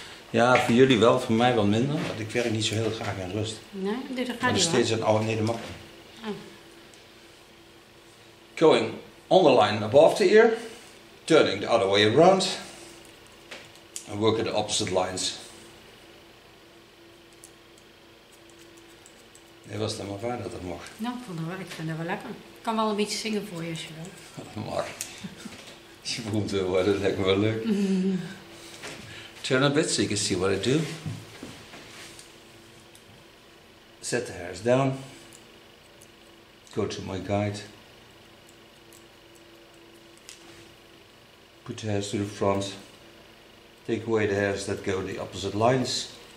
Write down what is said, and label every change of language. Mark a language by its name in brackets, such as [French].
[Dutch] Ja, voor jullie wel, voor mij wat minder. Want ik werk niet zo heel graag in rust. Nee, dit gaat niet. Maar er is steeds een oude nedermakker. [English] Going on the line above the ear, turning the other way around, and work at the opposite lines. [Dutch] Nee, was dat maar fijn dat het mag. Nou, ik vond het wel, ik vind het wel lekker. Ik kan wel een beetje zingen voor je als je wil. Maar, als je beroemd wil worden, lijkt me wel leuk. [English] Turn a bit so you can see what I do. Set the hairs down. Go to my guide. Put the hairs to the front. Take away the hairs that go the opposite lines.